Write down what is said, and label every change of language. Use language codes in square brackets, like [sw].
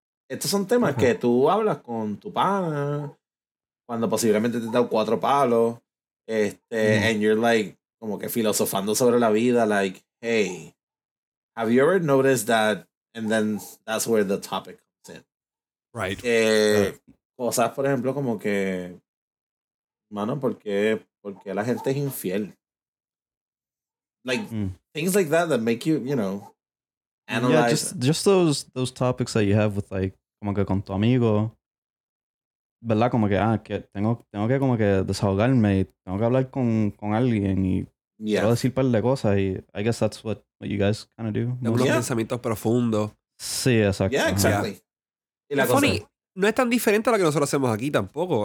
[es] Estos son temas que tú hablas con tu pana cuando posiblemente te da 4 palos, [en] and you're like [es] como que filosofando sobre la vida, [en] like, hey, have you ever noticed that? And then that's where the topic comes in. Right. [es] Cosas, por ejemplo, como que, mano, ¿por qué la gente es infiel? [en] Like, things like that that make you, you know, analyze. Yeah, just those topics that you have with, like, [es] como que con tu amigo, ¿verdad? Como que, que tengo que como que desahogarme, tengo que hablar con alguien y [en] yeah. [es] Puedo decir un par de cosas. [en] Y I guess that's what you guys kind of do. [es] De unos pensamientos profundos. Sí, exacto. [en] Yeah, exactly. Yeah. Y [es] la cosa. Funny. No es tan diferente a lo que nosotros hacemos aquí tampoco.